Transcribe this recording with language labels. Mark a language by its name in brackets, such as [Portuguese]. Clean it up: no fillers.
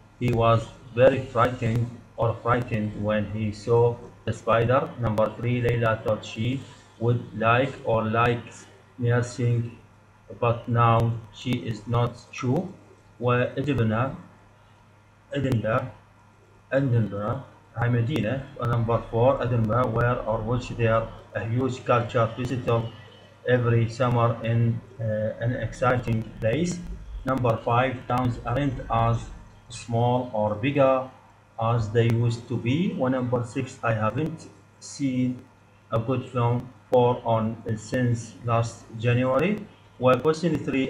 [English] He was very frightened or frightened when he saw the spider. Number 3. Layla thought she would like or likes nursing, but now she is not sure. [Arabic] وأجبنا أدنبرا هاي مدينة. [English] Number 4. Edinburgh where or which there a huge culture visitor every summer in an exciting place. Number 5. Towns aren't as small or bigger as they used to be. Number 6. I haven't seen a good film for on since last January. Well, question 3.